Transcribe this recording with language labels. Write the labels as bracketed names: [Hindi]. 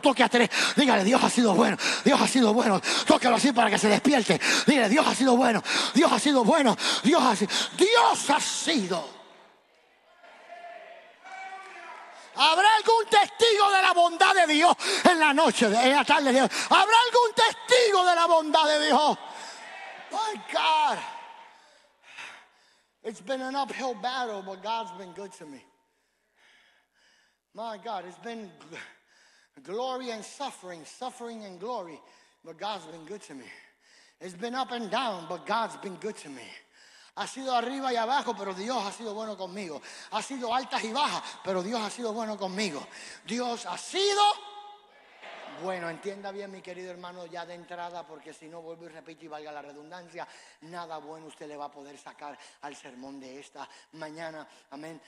[Spanish] Toque a 3, dígale: Dios ha sido bueno. Dios ha sido bueno. Tóquelo así para que se despierte. Dígale: Dios ha sido bueno. Dios ha sido bueno. Dios ha sido. ¿Habrá algún testigo de la bondad de Dios en la noche, en la tarde de Dios? ¿Habrá algún testigo de la bondad de Dios? [English] My God, it's been an uphill battle, but God's been good to me. My God, it's been glory and suffering, suffering and glory, but God's been good to me. It's been up and down, but God's been good to me. [Spanish] Ha sido arriba y abajo, pero Dios ha sido bueno conmigo. Ha sido altas y bajas, pero Dios ha sido bueno conmigo. Dios ha sido bueno. Entienda bien, mi querido hermano, ya de entrada, porque si no, vuelvo y repito y valga la redundancia, nada bueno usted le va a poder sacar al sermón de esta mañana. Amén.